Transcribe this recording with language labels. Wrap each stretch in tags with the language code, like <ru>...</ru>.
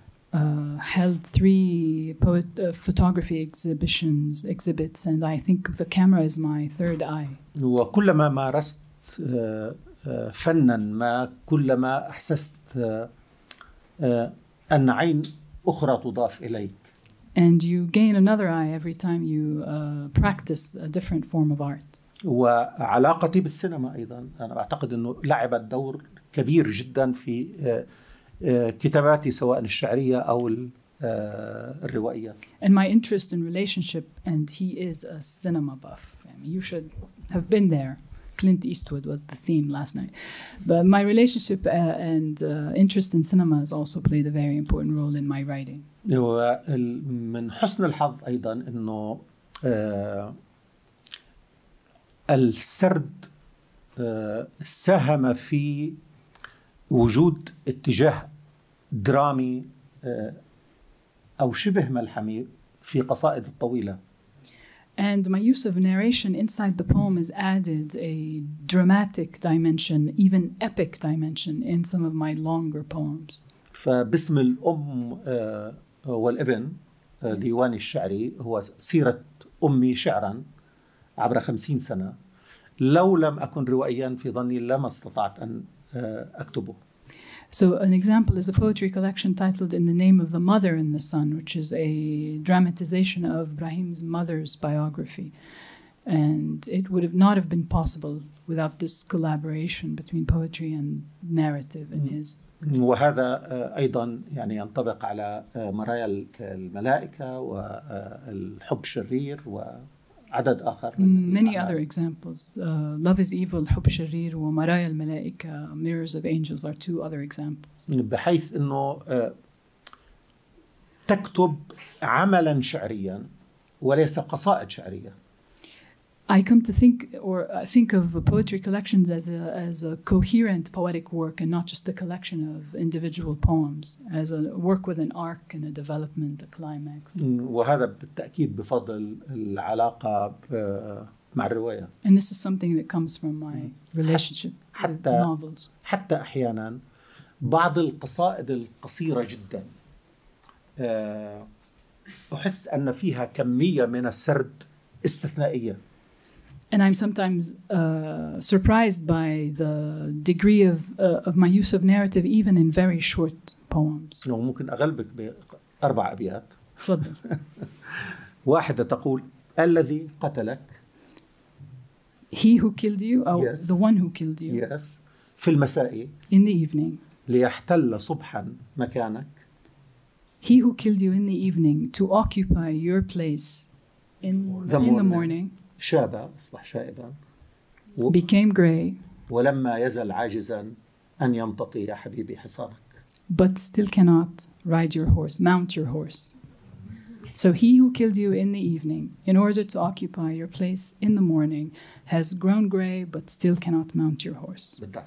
<en>I've held 3 photography exhibits, and I think the camera is my third eye.</en> <ar>وكلما مارست فنا ما كلما أحسست أن عين أخرى تضاف إليك.</ar> <en>And you gain another eye every time you practice a different form of art.</en> <ar>وعلاقتي بالسينما أيضا أنا أعتقد إنه لعبت دور كبير جدا في كتاباتي سواء الشعرية أو الروائية.</ar> <en>And my interest in relationship, and he is a cinema buff. I mean, you should have been there. Clint Eastwood was the theme last night. But my relationship interest in cinema has also played a very important role in my writing.</en> <ar>من حسن الحظ أيضا إنه السرد ساهم في وجود اتجاه درامي أو شبه ملحمي في قصائد الطويلة.</ar> <en>And my use of narration inside the poem has added a dramatic dimension, even epic dimension, in some of my longer poems.</en> <ar>فباسم الأم والابن ديواني الشعري هو سيرة أمي شعرا عبر 50 سنة. لو لم أكن روائيا في ظني لما استطعت أن أكتبه.</ar> <en>So an example is a poetry collection titled In the Name of the Mother and the Son, which is a dramatization of Ibrahim's mother's biography. And it would have not have been possible without this collaboration between poetry and narrative in his.</en> <ar>وهذا أيضا يعني ينطبق على مرايا الملائكة والحب الشرير وعدد آخر.</ar> <en>Many other examples. Love is evil,</en> <ar>حب شرير ومرايا الملائكة,</ar> <en>mirrors of angels are two other examples.</en> <ar>بحيث أنه تكتب عملا شعريا وليس قصائد شعرية.</ar> <en>I come to think, or think of poetry collections as a coherent poetic work, and not just a collection of individual poems, as a work with an arc and a development, a climax.</en> <ar>وهذا بالتأكيد بفضل العلاقة مع الرواية.</ar> <en>And this is something that comes from my relationship with novels.</en> <ar>حتى أحيانا بعض القصائد القصيرة جدا أحس أن فيها كمية من السرد استثنائية.</ar> <en>And I'm sometimes surprised by the degree of my use of narrative, even in very short poems. No,</en> <ar>ممكن أغلبك بأربع أبيات. تفضل. واحدة تقول الذي قتلك.</ar> <en>He who killed you, or yes. The one who killed you. Yes.</en> <ar>في المساء.</ar> <en>In the evening.</en> <ar>ليحتل صبحا مكانك.</ar> <en>He who killed you in the evening to occupy your place in the morning.</en> <ar>شاب أصبح شائبا.</ar> <en>Became gray.</en> <ar>ولما يزل عاجزا أن يمتطي يا حبيبي حصانك.</ar> <en>But still cannot ride your horse, mount your horse. So he who killed you in the evening, in order to occupy your place in the morning, has grown gray but still cannot mount your horse.</en>